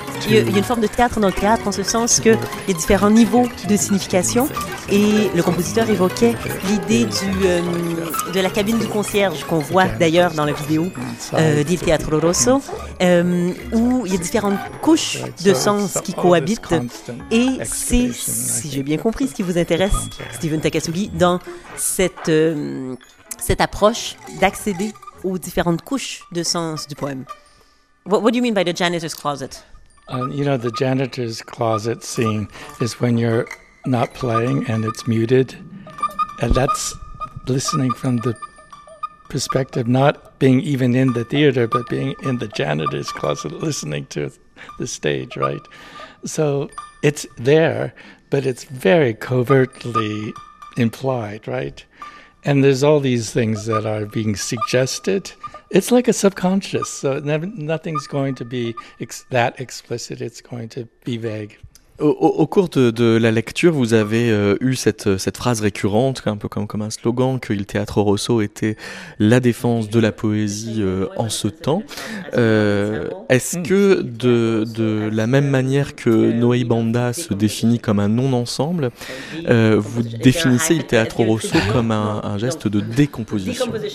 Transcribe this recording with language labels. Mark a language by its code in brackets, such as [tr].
[fr] Il y a une forme de théâtre dans le théâtre, en ce sens qu'il y a différents niveaux de signification, et le compositeur évoquait l'idée de la cabine du concierge, qu'on voit d'ailleurs dans la vidéo d'Il Teatro Rosso, où il y a différentes couches de sens qui cohabitent, et c'est, si j'ai bien compris, ce qui vous intéresse, Steven Takakzougi, dans cette approche d'accéder aux différentes couches de sens du poème. [en] What do you mean by the janitor's closet? You know, the janitor's closet scene is when you're not playing and it's muted. And that's listening from the perspective, not being even in the theater, but being in the janitor's closet, listening to the stage, right? So it's there, but it's very covertly implied, right? And there's all these things that are being suggested. It's like a subconscious, so nothing's going to be that explicit, it's going to be vague. [fr] Au cours de la lecture, vous avez eu cette phrase récurrente, un peu comme un slogan, que Il Teatro Rosso était la défense de la poésie en ce temps. Est-ce que de la même manière que Noé Banda se définit comme un non-ensemble, vous définissez Il Teatro Rosso comme un geste de décomposition?